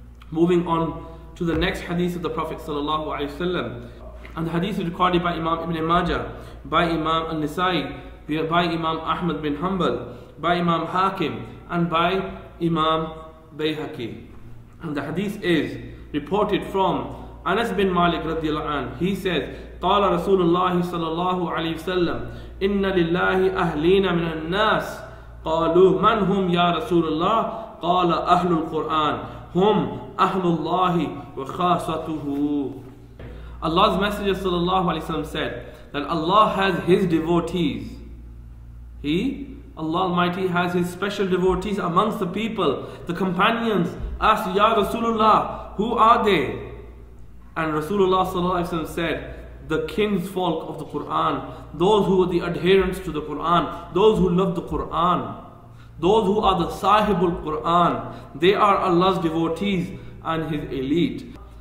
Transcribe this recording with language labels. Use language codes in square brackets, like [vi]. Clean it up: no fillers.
[en] Moving on to the next hadith of the Prophet sallallahu alayhi wa sallam. And the hadith is recorded by Imam Ibn Majah, by Imam An-Nisa'i, by Imam Ahmad bin Hanbal, by Imam Hakim, and by Imam Bayhaqi. And the hadith is reported from Anas bin Malik radiallahu anhu. He says, [ar] قال رسول الله صلى الله عليه وسلم إن لله أهلين من الناس قالوا من هم يا رسول الله قال أهل القرآن هم أهل الله وخاصته. [en] Allah's Messenger صلى الله عليه وسلم said that Allah has His devotees. He, Allah Almighty, has His special devotees amongst the people. The companions asked, Ya Rasulullah, who are they? And Rasulullah sallallahu alayhi wa sallam said, the kinsfolk of the Quran, those who are the adherents to the Quran, those who love the Quran, those who are the sahibul Quran, they are Allah's devotees and His elite.